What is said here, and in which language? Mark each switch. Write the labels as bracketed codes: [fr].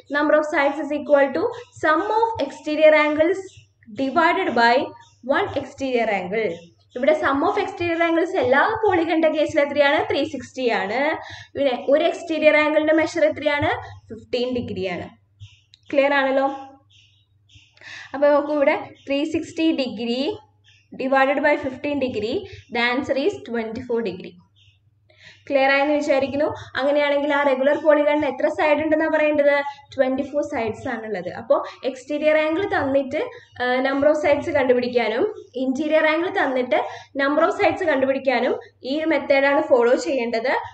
[en] Number of sides is equal to sum of exterior angles divided by 1 exterior angle. [ml] ഇവിടെ some of exterior angles എല്ലാ പോളിഗണിന്റെ കേസിൽ എത്രയാണ്? 360 ആണ്. ഇവിടെ ഒരു എക്സ്റ്റീരിയർ ആംഗിളിന്റെ മെഷർ എത്രയാണ്? 15 ഡിഗ്രി ആണ്. ക്ലിയർ ആണല്ലോ? അപ്പൊ നമുക്ക് ഇവിടെ 360 degree [en] divided by 15 degree, the answer is 24 degree. [ml] Clear ആയി എന്ന് വിചാരിക്കുന്നു. അങ്ങനെയാണെങ്കിൽ ആ റെഗുലർ പോളിഗണിന് എത്ര സൈഡ് ഉണ്ടെന്ന് പറയേണ്ടത്? 24 സൈഡ്സ് ആണുള്ളത്. അപ്പോൾ എക്സ്റ്റീരിയർ ആംഗിൾ തന്നിട്ട് നമ്പർ ഓഫ് സൈഡ്സ് കണ്ടുപിടിക്കാനും ഇന്റീരിയർ ആംഗിൾ തന്നിട്ട് നമ്പർ ഓഫ് സൈഡ്സ് കണ്ടുപിടിക്കാനും ഈ ഒരു മെത്തേഡാണ് ഫോളോ ചെയ്യേണ്ടത്.